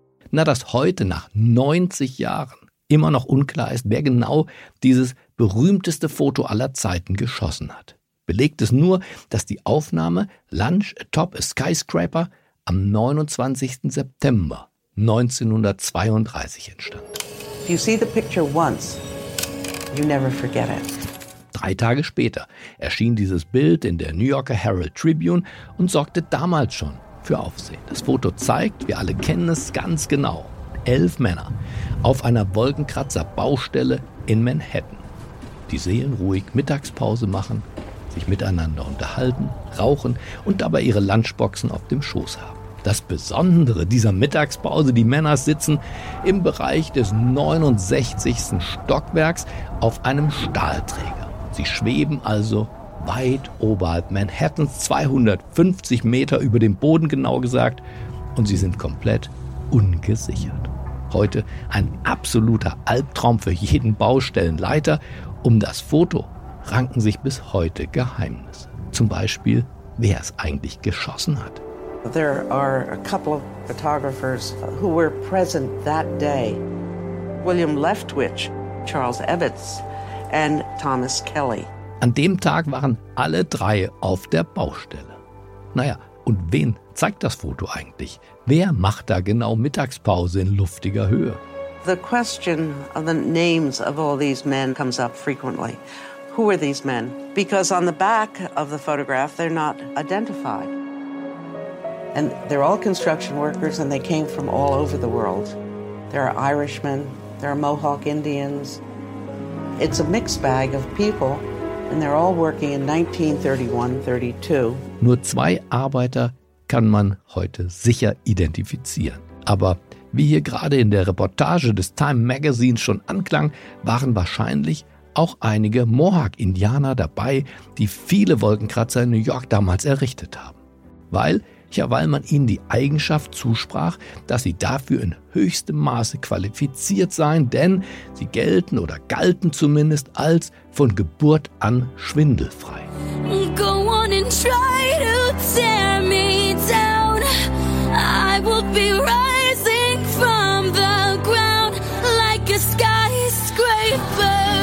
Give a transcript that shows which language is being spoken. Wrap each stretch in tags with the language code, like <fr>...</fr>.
<de>Na, dass heute nach 90 Jahren immer noch unklar ist, wer genau dieses berühmteste Foto aller Zeiten geschossen hat. Belegt es nur, dass die Aufnahme Lunch Atop a Skyscraper am 29. September 1932 entstand.</de> <en>If you see the picture once, you never forget it.</en> <de>3 Tage später erschien dieses Bild in der New Yorker Herald Tribune und sorgte damals schon für Aufsehen. Das Foto zeigt, wir alle kennen es ganz genau, 11 Männer auf einer Wolkenkratzer-Baustelle in Manhattan. Die Seelen ruhig Mittagspause machen, sich miteinander unterhalten, rauchen und dabei ihre Lunchboxen auf dem Schoß haben. Das Besondere dieser Mittagspause, die Männer sitzen im Bereich des 69. Stockwerks auf einem Stahlträger. Sie schweben also weit oberhalb Manhattans, 250 Meter über dem Boden genau gesagt, und sie sind komplett ungesichert. Heute ein absoluter Albtraum für jeden Baustellenleiter. Um das Foto ranken sich bis heute Geheimnisse. Zum Beispiel, wer es eigentlich geschossen hat.</de> <en>There are a couple of photographers who were present that day. William Leftwich, Charles Evetts and Thomas Kelly.</en> <de>An dem Tag waren alle 3 auf der Baustelle. Naja, und wen zeigt das Foto eigentlich? Wer macht da genau Mittagspause in luftiger Höhe?</de> <en>The question of the names of all these men comes up frequently. Who are these men? Because on the back of the photograph, they're not identified. And they're all construction workers, and they came from all over the world. There are Irishmen, there are Mohawk Indians. It's a mixed bag of people, and they're all working in 1931-32.</en> <de>Nur 2 Arbeiter kann man heute sicher identifizieren. Aber wie hier gerade in der Reportage des Time Magazine schon anklang, waren wahrscheinlich auch einige Mohawk-Indianer dabei, die viele Wolkenkratzer in New York damals errichtet haben. Weil man ihnen die Eigenschaft zusprach, dass sie dafür in höchstem Maße qualifiziert seien, denn sie gelten oder galten zumindest als von Geburt an schwindelfrei.</de> <en>Go on and try to tear me down. I will be rising from the ground like a skyscraper.</en>